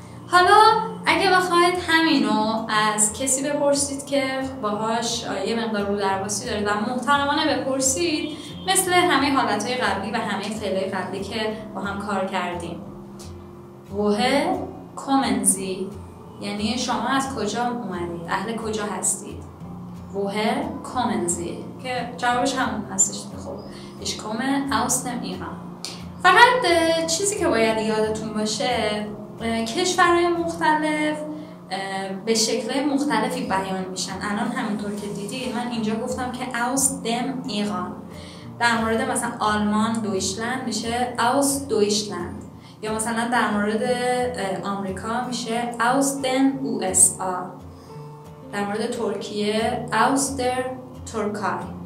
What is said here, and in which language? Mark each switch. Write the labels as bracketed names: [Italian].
[Persian] حالا اگه بخواید همینو از کسی بپرسید که باهاش یه مقدار رو درواسی دارید و محترمانه بپرسید، مثل همه حالتهای قبلی و همه فعلهای قبلی که با هم کار کردیم، [German] woher kommen Sie، [Persian] یعنی شما از کجا اومدید، اهل کجا هستید، woher kommen Sie، که جوابش همون هستش. [German] خب ich komme aus dem Iran. [Persian] فقط چیزی که باید یادتون باشه کشورهای مختلف به شکل مختلفی بیان میشن. الان همونطور که دیدید من اینجا گفتم که [German] aus dem Iran، [Persian] در مورد مثلا آلمان دویشلند میشه aus دویشلند، یا مثلا در مورد آمریکا میشه [German] aus den USA، [Persian] در مورد ترکیه [German] aus der Türkei.